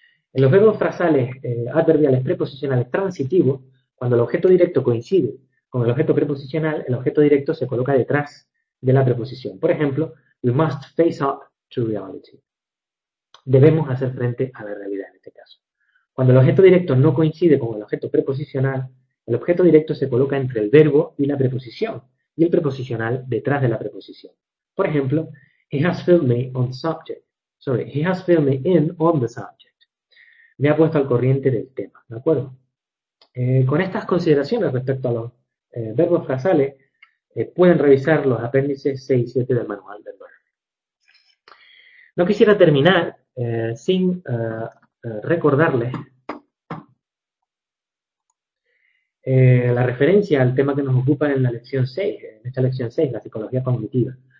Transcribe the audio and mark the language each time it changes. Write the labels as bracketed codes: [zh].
[es] En los verbos frasales adverbiales preposicionales transitivos, cuando el objeto directo coincide con el objeto preposicional, el objeto directo se coloca detrás de la preposición. Por ejemplo, [en] we must face up to reality. [es] Debemos hacer frente a la realidad en este caso. Cuando el objeto directo no coincide con el objeto preposicional, el objeto directo se coloca entre el verbo y la preposición, y el preposicional detrás de la preposición. Por ejemplo, [en] he has filled me in on the subject. [es] Me ha puesto al corriente del tema, ¿de acuerdo? Con estas consideraciones respecto a los verbos frasales, pueden revisar los apéndices 6 y 7 del manual del verbo. No quisiera terminar sin recordarles la referencia al tema que nos ocupa en la lección 6, en esta lección 6, la psicología cognitiva.